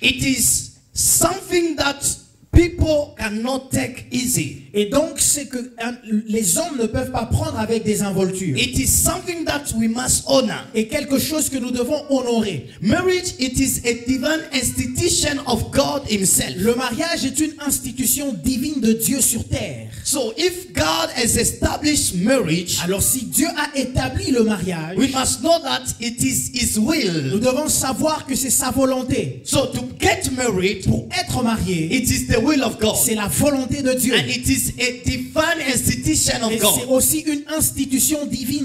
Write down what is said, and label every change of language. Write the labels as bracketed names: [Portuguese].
[English] it is something that people cannot take easy. [French] Et donc c'est que les hommes ne peuvent pas prendre avec désinvolture. [English] It is something that we must honor. [French] Et quelque chose que nous devons honorer. [English] Marriage, it is a divine institution of God himself. [French] Le mariage est une institution divine de Dieu sur terre. [English] So if God has established marriage, [French] alors si Dieu a établi le mariage, [English] we must know that it is his will. [French] Nous devons savoir que c'est sa volonté. [English] So to get married, [French] pour être marié, [English] it is the will of God. [French] C'est la volonté de Dieu. [English] And it is a divine institution of [French] Et [English] God. [French] C'est aussi une institution divine